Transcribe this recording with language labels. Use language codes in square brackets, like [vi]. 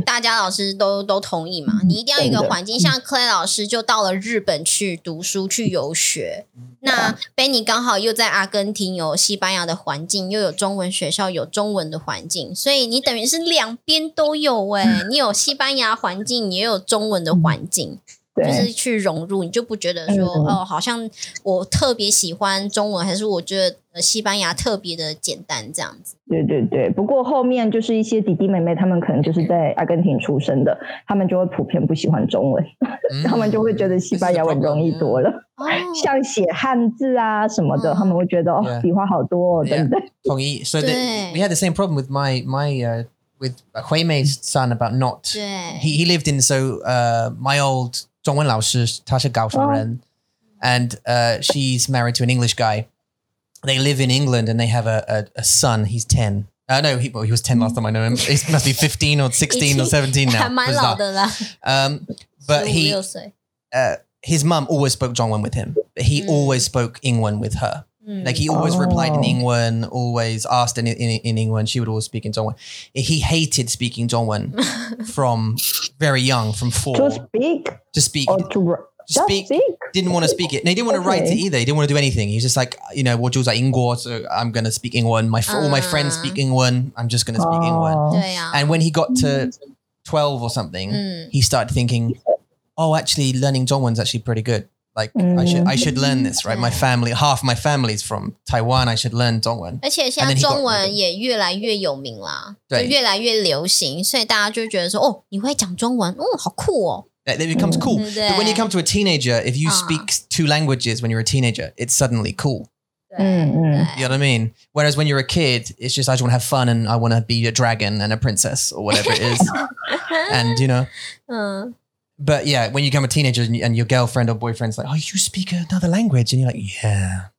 [zh] 大家老师都同意嘛，你一定要有一个环境。像 Clay 老师就到了日本去读书去游学，那 Benny 刚好又在阿根廷有西班牙的环境，又有中文学校有中文的环境，所以你等于是两边都有耶、欸、你有西班牙环境也有中文的环境，就是去融入，你就不觉得说、哦，好像我特别喜欢中文，还是我觉得西班牙特别的简单这样子。对对对，不过后面就是一些弟弟妹妹，他们可能就是在阿根廷出生的，他们就会普遍不喜欢中文，他们就会觉得西班牙文容易多了，像写汉字啊什么的，他们会觉得、哦、笔画好多、哦，对不对？同意。 [en] So the, we had the same problem with my Huimei's son about not. 对 he lived in so my old. [zh] 中文老师他是高雄人、 [en] and she's married to an English guy. They live in England and they have a son. He's 10. No, he was 10 last time I know him. He must be 15 or 16 or 17 now. [zh] 还蛮老的啦。 [en] But his mum always spoke 中文 with him. He always spoke 英文 with her. Like he always replied in 英文, always asked in 英文. She would always speak in 中文. He hated speaking 中文from very young, from four. To speak? To speak. Or to, didn't want to speak it. No, he didn't want to write it either. He didn't want to do anything. He's just like, you know, [zh] 我就在英国, [en] so I'm going to speak English. All my friends speak English. I'm just going to speak English. And when he got to 12 or something, he started thinking, oh, actually learning 中文 is actually pretty good. Like, I should learn this, right? My family, half my family is from Taiwan. I should learn 中文. [zh] 而且现在中文也越来越有名了，就越来越流行，所以大家就觉得说，哦，你会讲中文，哦，好酷哦。 [en] It becomes cool. But when you come to a teenager, if you speak two languages when you're a teenager, it's suddenly cool. You know what I mean? Whereas when you're a kid, it's just, I just want to have fun and I want to be a dragon and a princess or whatever it is. And, you know. But yeah, when you become a teenager and your girlfriend or boyfriend's like, oh, you speak another language. And you're like, yeah.